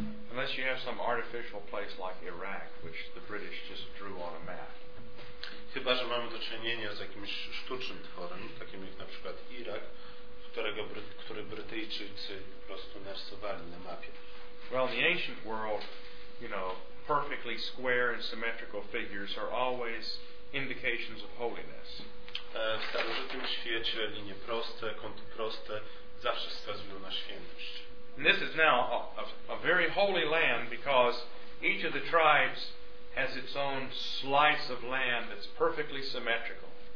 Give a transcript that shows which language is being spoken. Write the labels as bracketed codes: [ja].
[en] Unless you have some artificial place like Iraq, which the British just drew on a map. [pl] Chyba że mamy do czynienia z jakimś sztucznym tworem, takim jak na przykład Irak, który Brytyjczycy po prostu narysowali na mapie. [en] Well, in the ancient world, you know, perfectly square and symmetrical figures are always indications of holiness. [pl] W starożytnym świecie linie proste, kąty proste zawsze wskazują na świętość. [en] And this is now a very holy land because each of the tribes has its own slice of land that's perfectly symmetrical.